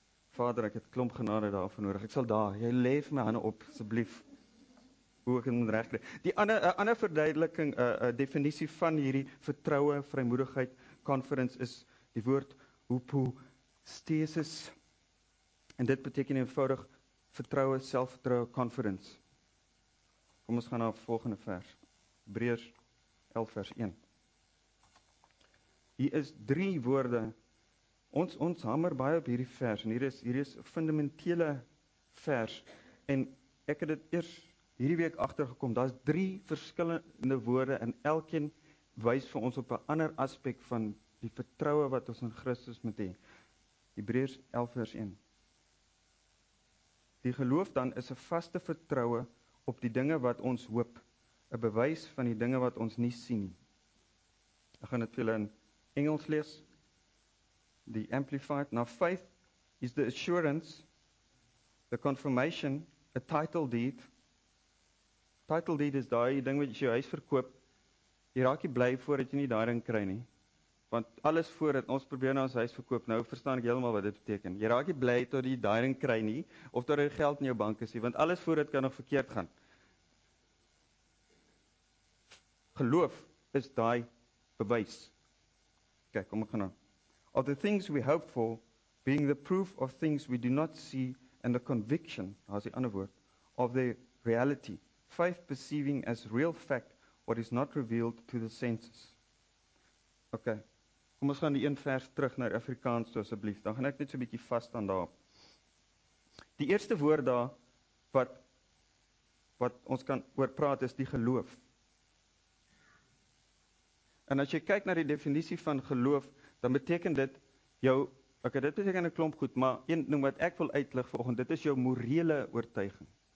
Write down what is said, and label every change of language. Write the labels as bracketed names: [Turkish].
[Afrikaans] Vader, ek het klomp genade daarvoor nodig. Ek sal daar, jy lê vir my hande op, asseblief. Hoe ek moet reg kry. Die ander verduideliking, definisie van hierdie vertroue, vrymoedigheid, conference is, die woord hypostasis, en dit beteken eenvoudig vertroue, selfvertroue, confidence. Kom ons gaan na volgende vers, Hebreërs 11 vers 1. Hier is 3 woorde, ons hamer baie op hierdie vers, en hier is fundamentele vers, en ek het dit eers hierdie week agtergekom, daar is 3 verskillende woorde, en elkeen wys vir ons op 'n ander aspek van die vertroue wat ons in Christus moet hê. Hebreërs 11 vers 1. Die geloof dan is 'n vaste vertroue op die dinge wat ons hoop, 'n bewys van die dinge wat ons nie sien nie. Ek gaan dit vir julle in Engels lees. [English] The Amplified. Now faith is the assurance, the confirmation, a title deed. [Afrikaans] Title deed is daai ding wat jy jou huis verkoop. Jy raak nie bly voordat jy nie daai ding kry nie. Want alles voordat ons probeer nou ons huis verkoop, nou verstaan ek heeltemal wat dit beteken. Jy raak nie bly tot jy daai ding kry nie, of tot jy geld in jou bank is nie, want alles voordat kan nog verkeerd gaan. Geloof is daai bewys. Kyk, kom ek gaan nou. [English] Of the things we hope for, being the proof of things we do not see, and the conviction, [Afrikaans] as die ander woord, [English] of the reality, faith perceiving as real fact, what is not revealed to the senses. Ok. [Afrikaans] Kom ons gaan die een vers terug naar Afrikaans toe asseblief, dan gaan ek net so'n bietjie vast aan daar. Die eerste woord daar, wat ons kan oor praat, is die geloof. En as jy kyk na die definisie van geloof, dan beteken dit jou, ok, dit beteken 'n klomp goed, maar een ding wat ek wil uitlig volgende, dit is jou morele oortuiging.